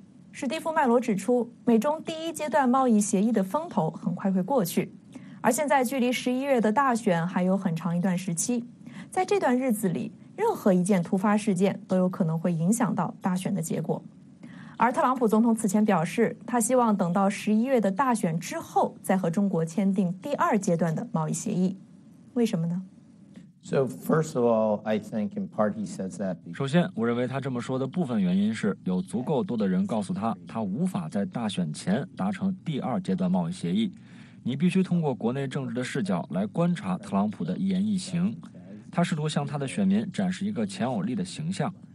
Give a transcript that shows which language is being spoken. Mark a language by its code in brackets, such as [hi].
[zh] 史蒂夫·麦罗指出，美中第一阶段贸易协议的风头很快会过去，而现在距离11月的大选还有很长一段时期，在这段日子里，任何一件突发事件都有可能会影响到大选的结果。而特朗普总统此前表示，他希望等到11月的大选之后再和中国签订第二阶段的贸易协议，为什么呢？ [en] So first of all, I think in part he says that. [zh] 首先，我认为他这么说的部分原因是有足够多的人告诉他，他无法在大选前达成第二阶段贸易协议。你必须通过国内政治的视角来观察特朗普的一言一行，他试图向他的选民展示一个强有力的形象。